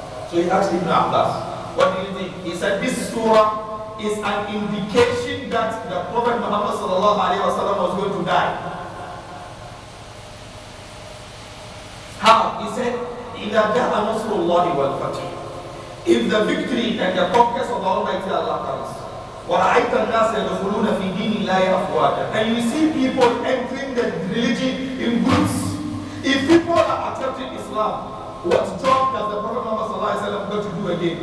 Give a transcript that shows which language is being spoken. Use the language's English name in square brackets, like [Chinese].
[English] So he asked Ibn Abbas, what do you think? He said, this surah is an indication that the Prophet Muhammad sallallahu alaihi wasallam was going to die. How? He said, [Arabic] إِذَا جَاءَ نَصْرُ اللَّهِ وَالْفَتْحُ. [English] If the victory and the conquest of Almighty Allah comes, [Arabic] وَرَعَيْتَ النَّاسَ يَدْخُلُونَ فِي دِينِ اللَّهِ أَفْوَاجًا. [English] And you see people entering the religion in groups. If people are accepting Islam, what job does the Prophet Muhammad sallallahu alaihi wasallam going to do again?